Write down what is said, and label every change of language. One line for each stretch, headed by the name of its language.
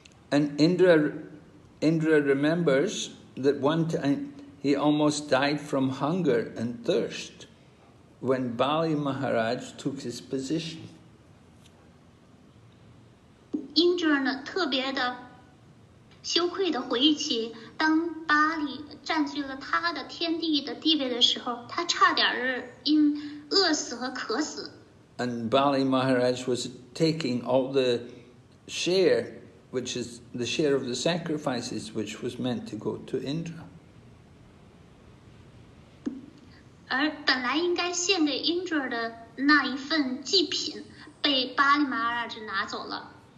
English: And Indra remembers that one time he almost died from hunger and thirst when Bali Maharaj took his position.
Chinese: Indra呢，特别的。羞愧地回忆起，当巴里占据了他的天地的地位的时候，他差点儿因饿死和渴死。
English: And Bali Maharaj was taking all the share, which is the share of the sacrifices, which was meant to go to Indra.
Chinese: 而本来应该献给 Indra 的那一份祭品，被巴里 Maharaj 拿走了。